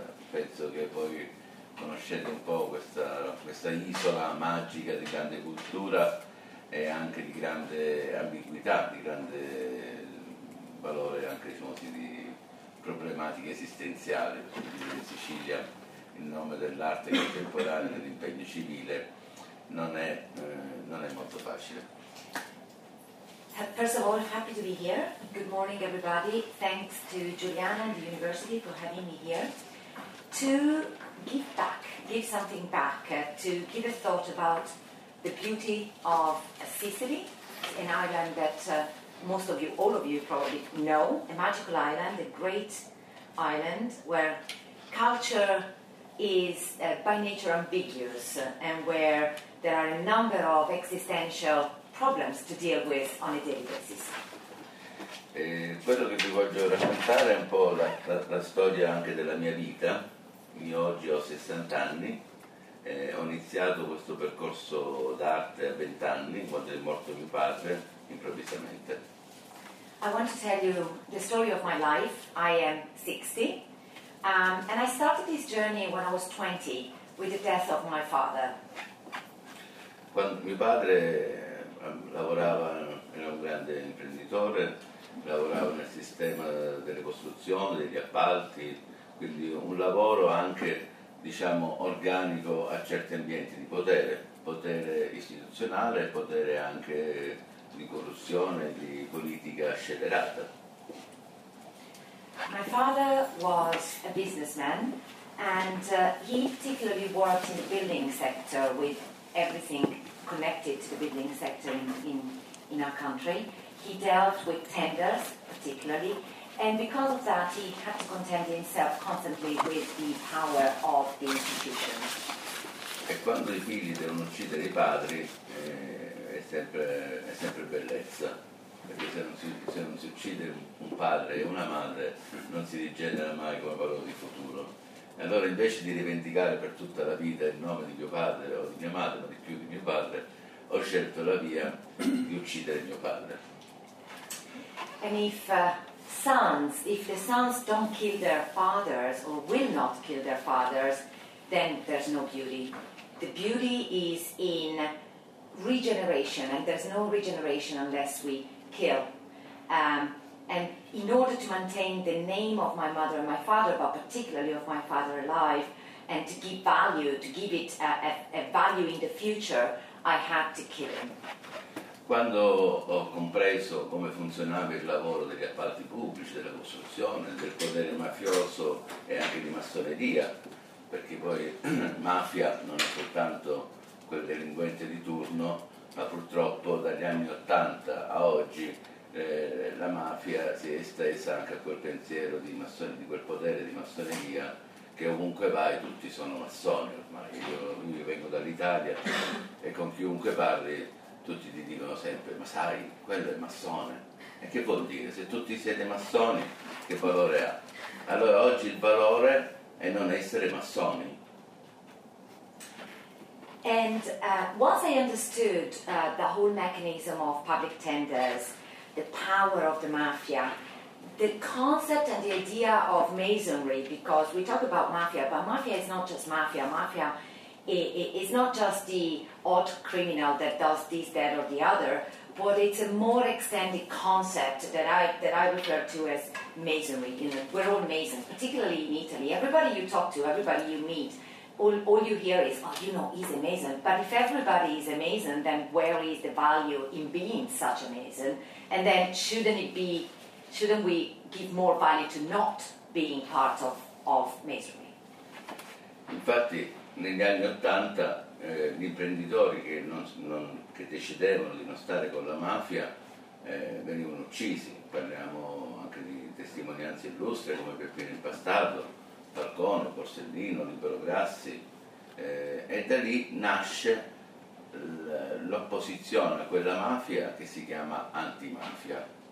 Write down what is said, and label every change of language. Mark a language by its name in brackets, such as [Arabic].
[Italian] Penso che poi, conoscendo un po' questa isola magica di grande cultura e anche di grande ambiguità, di grande valore anche diciamo, di problematiche esistenziali, in Sicilia il nome dell'arte contemporanea dell'impegno civile non è molto facile. [English] First of all, happy to be here. Good morning everybody. Thanks to Giuliana and the university for having me here. To give something back, to give a thought about the beauty of Sicily, an island that most of you, all of you probably know, a magical island, a great island, where culture is by nature ambiguous, and where there are a number of existential problems to deal with on a daily basis. [Italian] Quello che ti voglio raccontare è un po' la storia anche della mia vita. Io oggi ho 60 anni, ho iniziato questo percorso d'arte a 20 anni, quando è morto mio padre, improvvisamente. [English] I want to tell you the story of my life. I am 60, and I started this journey when I was 20, with the death of my father. [Italian] Quando mio padre lavorava, era un grande imprenditore, lavorava nel sistema delle costruzioni, degli appalti, quindi un lavoro anche, diciamo, organico a certi ambienti di potere, potere istituzionale e potere anche di corruzione, di politica scellerata. [English] My father was a businessman and he particularly worked in the building sector with everything connected to the building sector in our country. He dealt with tenders particularly. And because of that, he had to contend himself constantly with the power of the institution. [Italian] E quando i figli devono uccidere i padri, è sempre bellezza. Perché se non si uccide un padre e una madre, non si rigenera mai come valore di futuro. E allora invece di rivendicare per tutta la vita il nome di mio padre o di mia madre, ma di più di mio padre, ho scelto la via di uccidere mio padre. [English] And if the sons don't kill their fathers or will not kill their fathers, then there's no beauty. The beauty is in regeneration, and there's no regeneration unless we kill. And in order to maintain the name of my mother and my father, but particularly of my father alive, and to give value, to give it a value in the future, I had to kill him. [Italian] Quando ho compreso come funzionava il lavoro degli appalti pubblici, della costruzione, del potere mafioso e anche di massoneria, perché poi mafia non è soltanto quel delinquente di turno, ma purtroppo dagli anni 80 a oggi la mafia si è estesa anche a quel pensiero di massone, di quel potere di massoneria che ovunque vai tutti sono massoni ormai. Io vengo dall'Italia e con chiunque parli tutti ti dicono sempre: ma sai, quello è massone. E che vuol dire? Se tutti siete massoni, che valore ha? Allora oggi il valore è non essere massoni. [English] And once I understood the whole mechanism of public tenders, the power of the mafia, the concept and the idea of masonry, because we talk about mafia, but mafia is not just mafia. Mafia is not just the odd criminal that does this, that, or the other, but it's a more extended concept that I refer to as masonry. You know, we're all masons, particularly in Italy. Everybody you talk to, everybody you meet, all you hear is, oh, you know, he's a mason. But if everybody is a mason, then where is the value in being such a mason? And then shouldn't we give more value to not being part of masonry? [Italian] Infatti, negli anni Ottanta, gli imprenditori che decidevano di non stare con la mafia venivano uccisi. Parliamo anche di testimonianze illustre come Peppino Impastato, Falcone, Borsellino, Libero Grassi, e da lì nasce l'opposizione a quella mafia che si chiama antimafia.